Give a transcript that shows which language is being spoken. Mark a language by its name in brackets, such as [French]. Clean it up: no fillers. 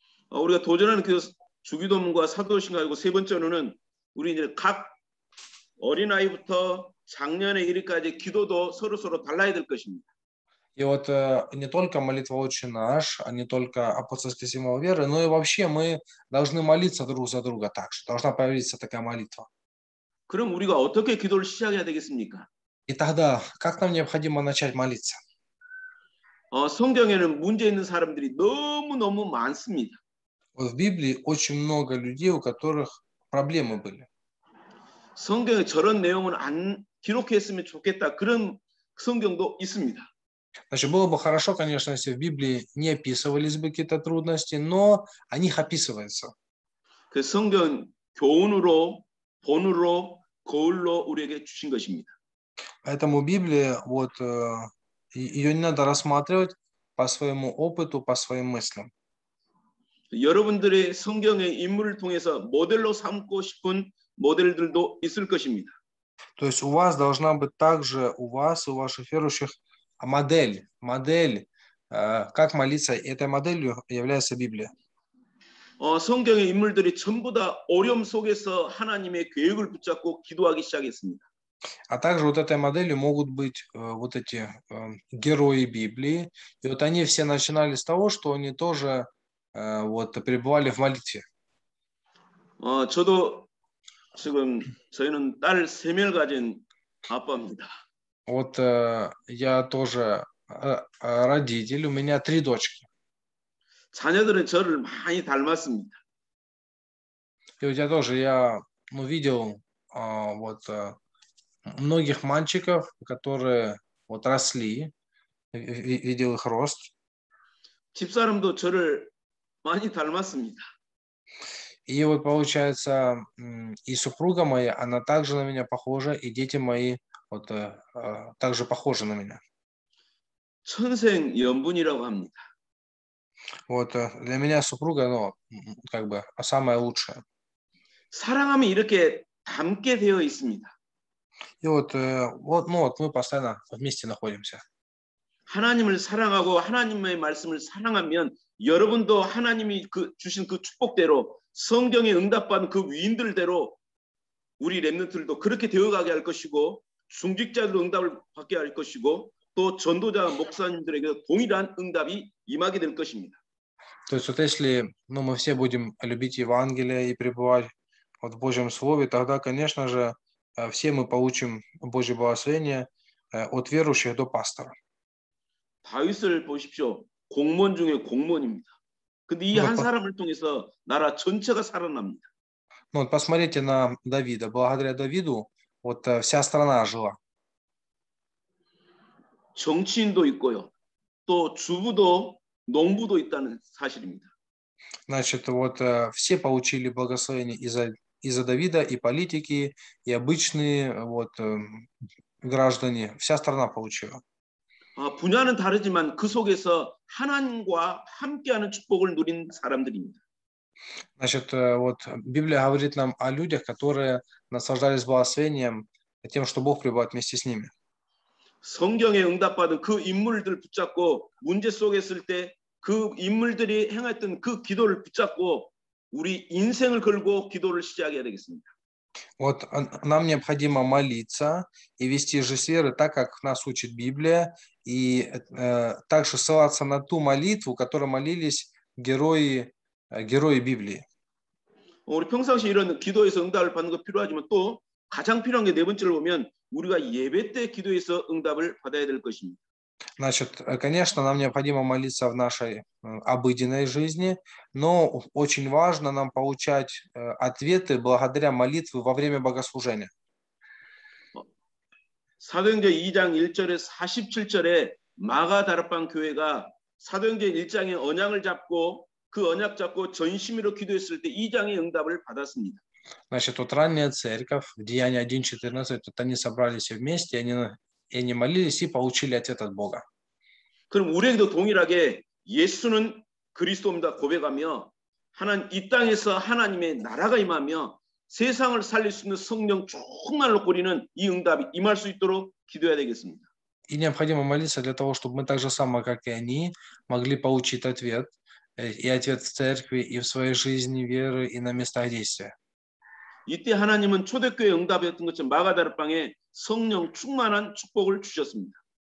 [Korean] 우리가 도전하는 그 주기도문과 사도신경이고 세 번째로는 우리 이제 각 어린아이부터 작년에 이르기까지 기도도 서로서로 달라야 될 것입니다. [Russian] И вот не только молитва Отче наш, а не только апостольский символ веры, но и вообще мы должны молиться друг за друга также. Должна появиться такая молитва. [Korean] 그럼 우리가 어떻게 기도를 시작해야 되겠습니까? [Russian] И тогда как нам необходимо начать молиться? [Korean] 성경에는 문제 있는 사람들이 너무너무 많습니다. [Russian] Вот в Библии очень много людей, у которых проблемы были. [Korean] 성경에 저런 내용은 안 기록했으면 좋겠다. 그런 성경도 있습니다. [Russian] Значит, было бы хорошо, конечно, если в Библии не описывались бы какие-то трудности, но о них описывается. [Korean] 그 성경 교훈으로, 본으로, 거울로 우리에게 주신 것입니다. [Russian] Поэтому Библия, вот, ее не надо рассматривать по своему опыту, по своим мыслям. [Korean] 여러분들의 성경의 인물을 통해서 모델로 삼고 싶은 모델들도 있을 것입니다. [Russian] То есть у вас должна быть также у вас, у ваших верующих модель, как молиться, и этой моделью является Библия. [Korean] 성경의 인물들이 전부 다 어려움 속에서 하나님의 계획을 붙잡고 기도하기 시작했습니다. [Russian] А также вот этой моделью могут быть вот эти герои Библии. И вот они все начинали с того, что они тоже вот пребывали в молитве. [Korean] 저도 지금 저희는 딸 세 명을 가진 아빠입니다. [Russian] Вот я тоже родитель, у меня три дочки. [Korean] 자녀들은 저를 많이 닮았습니다. [Russian] И вот я тоже видел вот многих мальчиков, которые вот росли, видел их рост. [Korean] 집사람도 저를 많이 닮았습니다. [Russian] И вот получается, и супруга моя, она также на меня похожа, и дети мои вот также похожи на меня. [Korean] 천생 연분이라고 합니다. [Russian] Вот для меня супруга, ну, как бы самая лучшая. [Korean] 사랑하면 이렇게 닮게 되어 있습니다. [Russian] И вот, вот, ну вот мы постоянно вместе находимся. [Korean] 하나님을 사랑하고 하나님의 말씀을 사랑하면 여러분도 하나님이 그 주신 그 축복대로 성경에 응답한 그 위인들대로 우리 렘넌트들도 그렇게 되어가게 할 것이고 중직자들도 응답을 받게 할 것이고 또 전도자 목사님들에게 동일한 응답이 임하게 될 것입니다. [Russian] То есть вот если ну, мы все будем любить Евангелие и пребывать вот в Божьем Слове, тогда, конечно же, все мы получим Божье благословение от верующих до пастора. [Korean] 다윗을 보십시오. 공무원 중에 공무원입니다. 근데 이 한 사람을 통해서 나라 전체가 살아납니다. [Russian] Ну, вот посмотрите на Давида. Благодаря Давиду вот вся страна жила. [Korean] 정치인도 있고요. 또 주부도 농부도 있다는 사실입니다. [Russian] Значит, вот все получили благословение из-за Давида и политики, и обычные вот граждане. Вся страна получила. [Korean] 분야는 다르지만 그 속에서 하나님과 함께하는 축복을 누린 사람들입니다. [Russian] Значит, вот Библия говорит нам о людях, которые наслаждались благословением тем, что Бог пребывает вместе с ними. [Korean] 성경에 응답받은 그 인물들 붙잡고 문제 속에 있을 때 그 인물들이 행했던 그 기도를 붙잡고 우리 인생을 걸고 기도를 시작해야 되겠습니다. [Russian] Вот нам необходимо молиться и вести жизнь веры так, как нас учит Библия, и также ссылаться на ту молитву, которую молились герои Библии. [Korean] 우리 평상시 이런 기도에서 응답을 받는 거 필요하지만 또 가장 필요한 게 네 번째를 보면 우리가 예배 때 기도해서 응답을 받아야 될 것입니다. [Russian] Значит, конечно, нам необходимо молиться в нашей обыденной жизни, но очень важно нам получать ответы благодаря молитве во время богослужения. [Korean] 사도행전 2장 1절에 47절에 마가 다락방 교회가 사도행전 1장의 언약을 잡고 그 언약 잡고 전심으로 기도했을 때 2장의 응답을 받았습니다. [Russian] Значит, вот ранняя церковь, Деяния 1:14, вот они собрались все вместе, они молились и получили ответ от Бога. [Korean] 그럼 우리에게도 동일하게 예수는 그리스도입니다 고백하며 하나님 이 땅에서 하나님의 나라가 임하며 세상을 살릴 수 있는 성령 충만을 꾸리는 이 응답이 임할 수 있도록 기도해야 되겠습니다. [Russian] И необходимо молиться для того, чтобы мы так же само, как и они, могли получить ответ и ответ в церкви и в своей жизни веры и на местах действия. [Korean] 이때 하나님은 초대교회 응답했던 것처럼 마가 다락방에 성령 충만한 축복을 주셨습니다.